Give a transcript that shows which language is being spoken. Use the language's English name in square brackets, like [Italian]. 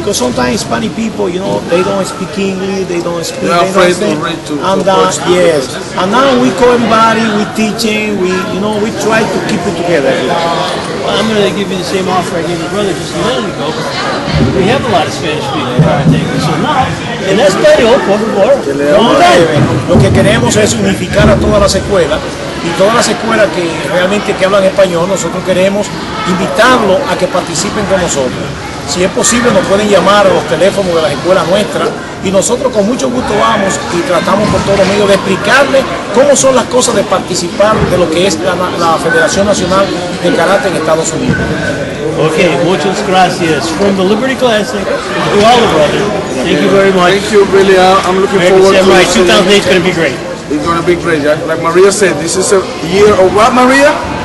[English] Because sometimes Hispanic people, you know, they don't speak English, they don't speak English. They're afraid to read too. And yes. And now we call everybody, we teaching, we try to keep it together. I'm going to give you the same offer I gave your brother just a minute ago. We have a lot of Spanish people in karate. So now, [Spanish] en español, por favor, lo que queremos es unificar a todas las escuelas. Y todas las escuelas que realmente que hablan español, nosotros queremos invitarlos a que participen con nosotros. Si es posible, nos pueden llamar a los teléfonos de las escuelas nuestras. Y nosotros con mucho gusto vamos y tratamos por todos los medios de explicarles cómo son las cosas de participar de lo que es la Federación Nacional de Karate en Estados Unidos. Ok, muchas gracias. [English] From the Liberty Classic, to all the brothers, thank you very much. Thank you, Billy. I'm looking forward to it. American Samurai 2008 is going to be great. It's going to be great, yeah? Like Maria said, this is a year of what, Maria?